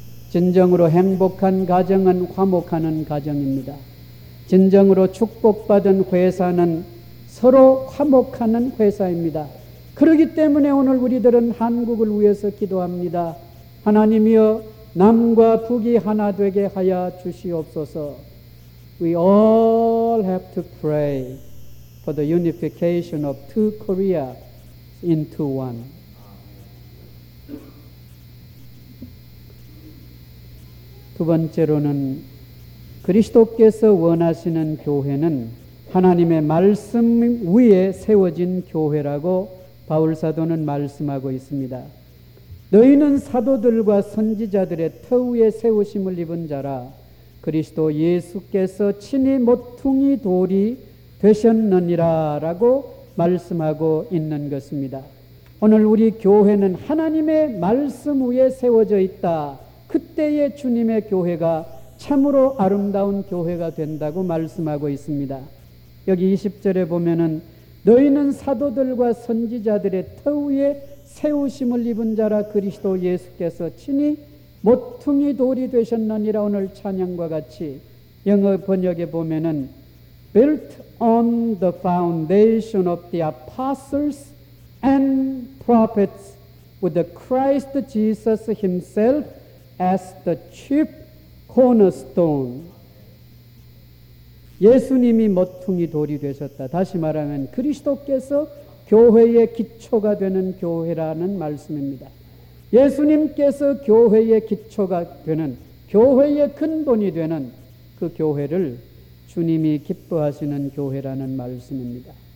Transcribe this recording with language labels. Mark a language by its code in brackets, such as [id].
[ko] 진정으로 행복한 가정은 화목하는 가정입니다. 진정으로 축복받은 회사는 서로 화목하는 회사입니다. 그러기 때문에 오늘 우리들은 한국을 위해서 기도합니다. 하나님이여 남과 북이 하나 되게 하여 주시옵소서. [en] We all have to pray for the unification of two Korea into one. [ko] 두 번째로는 그리스도께서 원하시는 교회는 하나님의 말씀 위에 세워진 교회라고 바울사도는 말씀하고 있습니다. 너희는 사도들과 선지자들의 터 위에 세우심을 입은 자라 그리스도 예수께서 친히 모퉁이 돌이 되셨느니라 라고 말씀하고 있는 것입니다. 오늘 우리 교회는 하나님의 말씀 위에 세워져 있다. 그때의 주님의 교회가 참으로 아름다운 교회가 된다고 말씀하고 있습니다. 여기 20절에 보면은 너희는 사도들과 선지자들의 터 위에 세우심을 입은 자라 그리스도 예수께서 친히 모퉁이 돌이 되셨느니라. 오늘 찬양과 같이 영어 번역에 보면은 [en] Built on the foundation of the apostles and prophets with the Christ Jesus himself as the chief cornerstone. [ko] 예수님이 모퉁이 돌이 되셨다. 다시 말하면 그리스도께서 교회의 기초가 되는 교회라는 말씀입니다. 예수님께서 교회의 기초가 되는 교회의 근본이 되는 그 교회를 주님이 기뻐하시는 교회라는 말씀입니다.